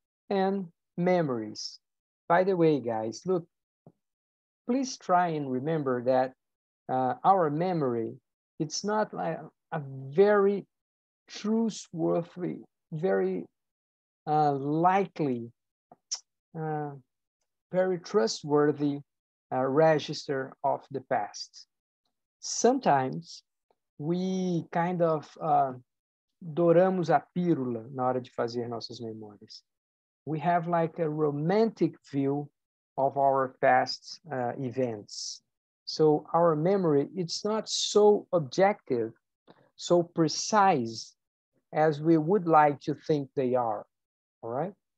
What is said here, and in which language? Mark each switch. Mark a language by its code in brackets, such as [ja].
[en] And memories. By the way, guys, look, please try and remember that our memory, it's not like a very trustworthy, very likely, very trustworthy register of the past. Sometimes we kind of [pt] douramos a pílula na hora de fazer nossas memórias. [en] We have like a romantic view of our past events. So our memory, it's not so objective, so precise as we would like to think they are, all right?